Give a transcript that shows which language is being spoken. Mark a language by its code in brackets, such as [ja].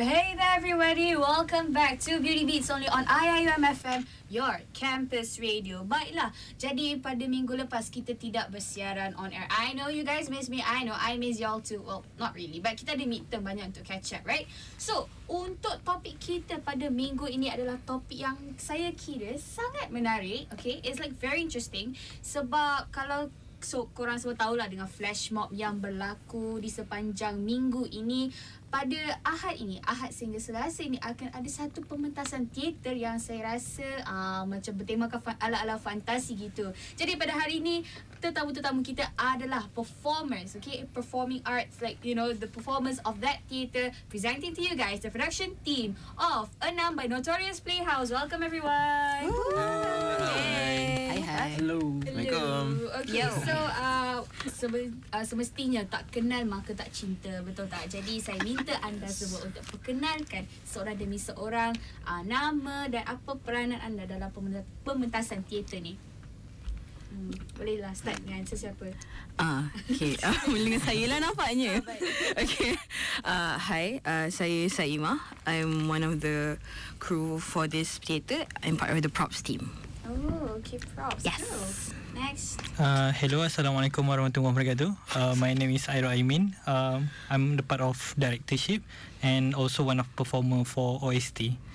[en] Hey there everybody, welcome back to Beauty Beats only on Iium FM, your campus radio. [ms] Baiklah, jadi pada minggu lepas kita tidak bersiaran on air. [en] I know you guys miss me, I know I miss y'all too. Well, not really, but kita ada midterm banyak untuk catch up, right? [ms] So, untuk topik kita pada minggu ini adalah topik yang saya kira sangat menarik. [en] Okay, it's like very interesting. [ms] Sebab kalau so, korang semua tahulah dengan flash mob yang berlaku di sepanjang minggu ini. Pada Ahad ini, Ahad sehingga Selasa ini akan ada satu pementasan teater yang saya rasa macam bertemakan ala-ala fantasi gitu. Jadi pada hari ini, tetamu-tetamu kita adalah performers, okay? [en] Performing arts, like, you know, the performance of that theater. Presenting to you guys, the production team of Enam by NOTORIOUS PLAYHOUSE. Welcome everyone! Hello! Hi, hi! Hello! [ms] Okay, so semestinya tak kenal maka tak cinta, betul tak? Jadi saya minta anda semua untuk perkenalkan seorang demi seorang nama dan apa peranan anda dalam pementasan teater ni. Bolehlah start dengan sesiapa. Okay, dengan saya lah nampaknya. Okay, hi, saya Saima. [en] I'm one of the crew for this theater. I'm part of the props team. Oh, okay, props. Yes. Cool. Next. Hello, assalamualaikum warahmatullahi wabarakatuh. My name is Airo Aimin. I'm the part of directorship and also one of performer for OST.